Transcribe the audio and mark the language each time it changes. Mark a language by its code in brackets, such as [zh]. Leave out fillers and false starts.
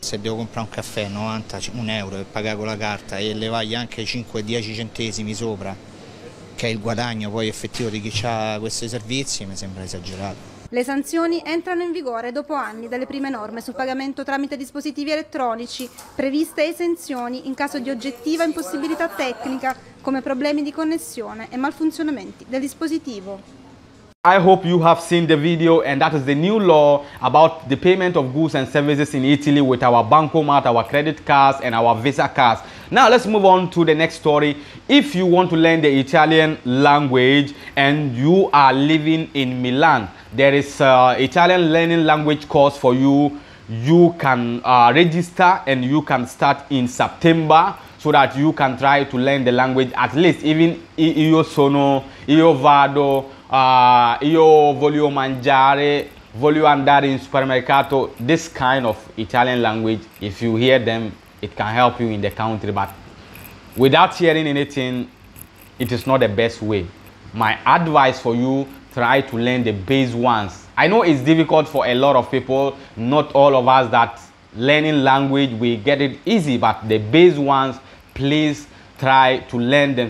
[it] Se devo comprare un caffè 91 euro e pagare con la carta e levagli anche 5-10 centesimi sopra, che è il guadagno poi effettivo di chi ha questi servizi, mi sembra esagerato. Le sanzioni entrano in vigore dopo anni dalle prime norme sul pagamento tramite dispositivi elettronici, previste esenzioni in caso di oggettiva impossibilità tecnica, come problemi di connessione e malfunzionamenti del dispositivo. [en] I hope you have seen the video, and that is the new law about the payment of goods and services in Italy with our bancomat, our credit cards, and our Visa cards. Now let's move on to the next story. If you want to learn the Italian language and you are living in Milan, there is Italian learning language course for you. You can register and you can start in September, so that you can try to learn the language at least. [it] Even io sono, io vado, io voglio mangiare, voglio andare in supermercato. [en] This kind of Italian language, if you hear them, it can help you in the country. But without hearing anything, it is not the best way. My advice for you, try to learn the base ones. I know it's difficult for a lot of people, not all of us, that learning language, we get it easy, but the base ones, please try to learn them.